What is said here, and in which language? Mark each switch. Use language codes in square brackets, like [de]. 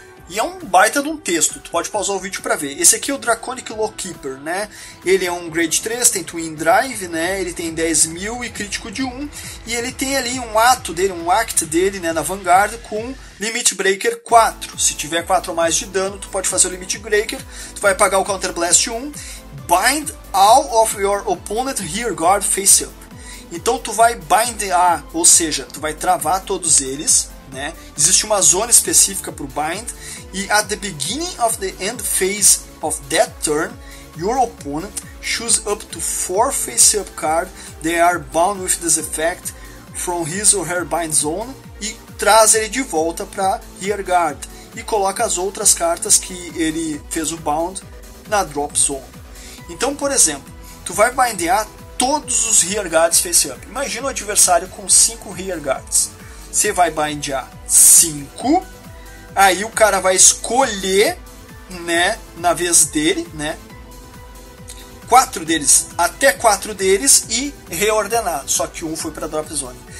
[pt] E é um baita de um texto, tu pode pausar o vídeo pra ver. Esse aqui é o Draconic Lawkeeper, né? Ele é um Grade 3, tem Twin Drive, né? Ele tem 10 mil e crítico de 1. E ele tem ali um ato dele, um act dele, né? Na Vanguard, com Limit Breaker 4. Se tiver 4 ou mais de dano, tu pode fazer o Limit Breaker. Tu vai pagar o Counter Blast 1. [en] Bind all of your opponent rear guard face up. [pt] Então tu vai bindar, ou seja, tu vai travar todos eles, né? Existe uma zona específica para o bind. E [en] at the beginning of the end phase of that turn, your opponent chooses up to 4 face-up cards that are bound with this effect from his or her bind zone, [pt] e traz ele de volta para rear guard e coloca as outras cartas que ele fez o bound na drop zone. Então, por exemplo, tu vai bindar todos os rear guards face-up. Imagina o adversário com 5 rear guards. Você vai bindar 5, aí o cara vai escolher, né, na vez dele, né, 4 deles, até 4 deles, e reordenar, só que um foi pra drop zone.